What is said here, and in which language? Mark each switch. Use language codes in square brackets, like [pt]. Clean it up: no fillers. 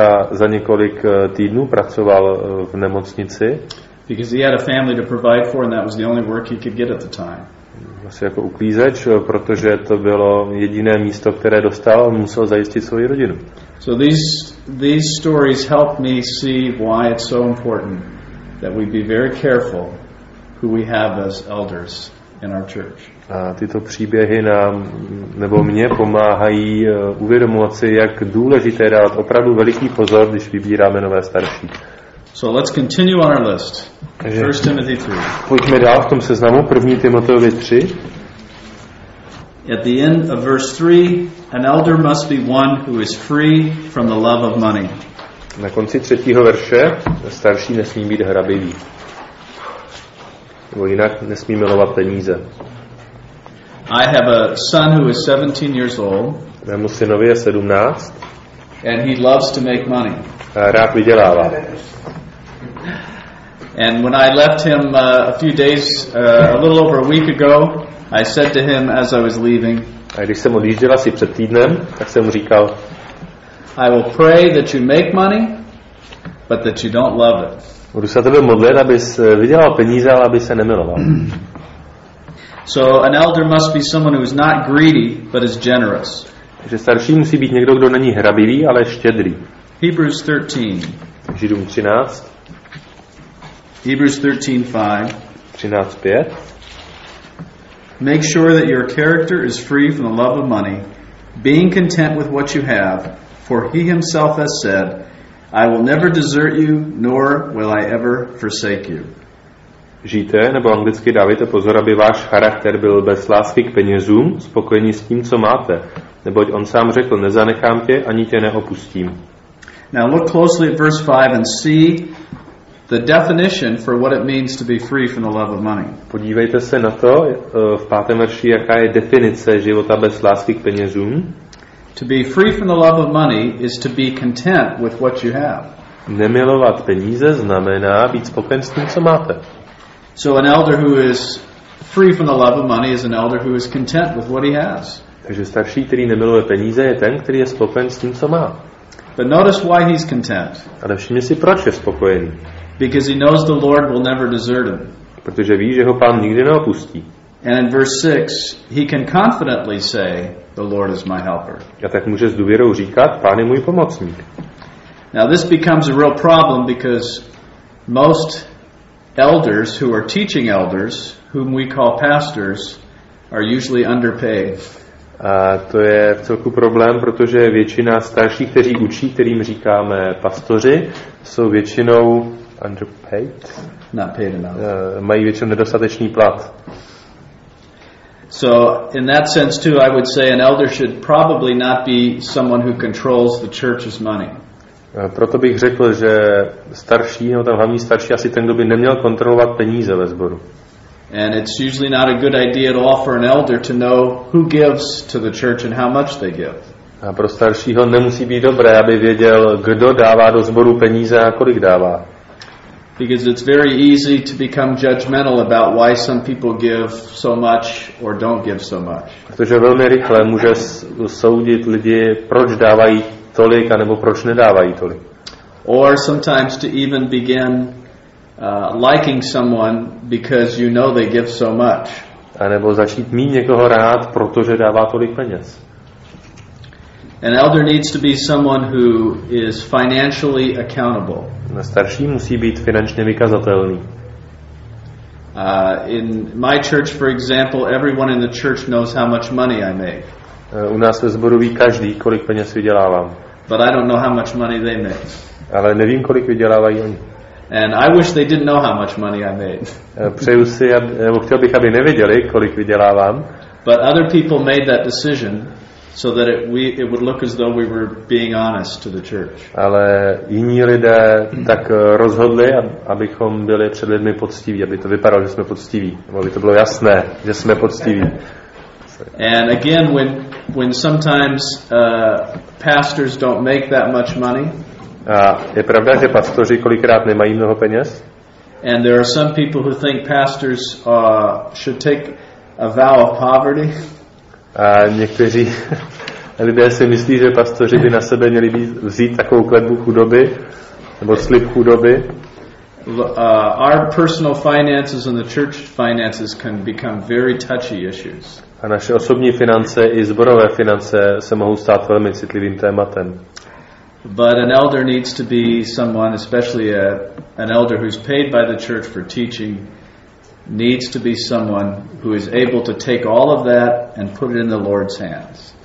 [cs] Za několik týdnů pracoval v nemocnici. [en] Because he had a family to provide for and that was the only work he could get at the time. [cs] Asi jako uklízeč, protože to bylo jediné místo, které dostal, musel zajistit svoji rodinu. [en] So these stories help me see why it's so important that we be very careful who we have as elders in our church. [cs] A tyto příběhy nám nebo mně pomáhají uvědomovat si, jak důležité je dát opravdu veliký pozor, když vybíráme nové starší. [en] So let's continue on our list. 1 Timothy 3. [cs] Pojďme dál v tom seznamu, 1 Timoteovi 3. [en] At the end of verse 3, an elder must be one who is free from the love of money. [cs] Na konci třetího verše starší nesmí být hrabivý. Nebo jinak nesmí milovat peníze. [en] I have a son who is 17 years old. [cs] Mému synovi je 17. [en] And he loves to make money. [cs] A rád vydělává. [en] And when I left him a few days, a little over a week ago, I said to him as I was leaving. [cs] A když jsem odjížděl asi před týdnem, tak jsem mu říkal. [en] I will pray that you make money, but that you don't love it. [cs] Budu se tebe modlit, abys vydělal peníze, ale aby se nemiloval. [en] So an elder must be someone who is not greedy, but is generous. [cs] Že starší musí být někdo, kdo není hrabivý, ale štědrý. [en] Hebrews 13. [cs] Židům 13. [en] Hebrews 13:5. [cs] 13:5. [en] Make sure that your character is free from the love of money, being content with what you have, for he himself has said, I will never desert you, nor will I ever forsake you. [cs] Žijte, nebo anglicky dávejte pozor, aby váš charakter byl bez lásky k penězům, spokojený s tím, co máte. Neboť on sám řekl, nezanechám tě, ani tě neopustím. [en] Now look closely at verse 5 and see the definition for what it means to be free from the love of money. [cs] Podívejte se na to v pátém verši, jaká je definice života bez lásky k penězům. [en] To be free from the love of money is to be content with what you have. [cs] Nemilovat peníze znamená být spokojen s tím, co máte. [en] So an elder who is free from the love of money is an elder who is content with what he has. [cs] Takže starší, který nemiluje peníze, je ten, který je spokojen s tím, co má. [en] But notice why he's content. [cs] Ale všimně si, proč je spokojený. [en] Because he knows the Lord will never desert him. [cs] Protože ví, že ho Pán nikdy neopustí. [en] And in verse 6, he can confidently say, the Lord is my helper. [cs] A tak může s důvěrou říkat, Pán je můj pomocník. [en] Now this becomes a real problem because most elders who are teaching elders, whom we call pastors, are usually underpaid. [cs] A to je v celku problém, protože většina starších, kteří učí, kterým říkáme pastoři, jsou většinou [en] underpaid. Not paid enough. [cs] Mají většinou nedostatečný plat. [en] So in that sense too, I would say an elder should probably not be someone who controls the church's money. [cs] Proto bych řekl, že starší, no tam hlavní starší, asi ten, kdo by neměl kontrolovat peníze ve sboru. [en] And it's usually not a good idea at all for an elder to know who gives to the church and how much they give. [cs] A pro staršího nemusí být dobré, aby věděl, kdo dává do sboru peníze a kolik dává. [en] Because it's very easy to become judgmental about why some people give so much or don't give so much. [cs] Protože velmi rychle může soudit lidi, proč dávají tolik a nebo proč nedávají tolik. [en] Or sometimes to even begin liking someone because you know they give so much. [cs] A nebo začít mít někoho rád, protože dává tolik peněz. [en] An elder needs to be someone who is financially accountable. [cs] Na starší musí být finančně vykazatelný. [en] In my church, for example, everyone in the church knows how much money I make. [cs] U nás ve sboru ví každý, kolik peněz vydělávám. [en] But I don't know how much money they make. [cs] Ale nevím, kolik vydělávají oni. [en] And I wish they didn't know how much money I made. [cs] Přeju si, nebo chtěl bych, aby nevěděli, kolik vydělávám. [en] But other people made that decision so that it would look as though we were being honest to the church. [cs] Ale jiní lidé tak rozhodli, abychom byli před lidmi poctiví, aby to vypadalo, že jsme poctiví, aby to bylo jasné, že jsme poctiví. [en] And again, when sometimes pastors don't make that much money. [cs] A je pravda, že pastoři kolikrát nemají mnoho peněz? [en] And there are some people who think pastors should take a vow of poverty. [cs] A někteří lidé si myslí, že pastoři by na sebe měli vzít takovou klenbu chudoby nebo slib chudoby. [en] Our personal finances and the church finances can become very touchy issues. [cs] A naše osobní finance i zborové finance se mohou stát velmi citlivým tématem. [en] But an elder needs to be someone, especially an elder who's paid by the church for teaching, needs to be someone who is able to take all of that and put it in the Lord's hands.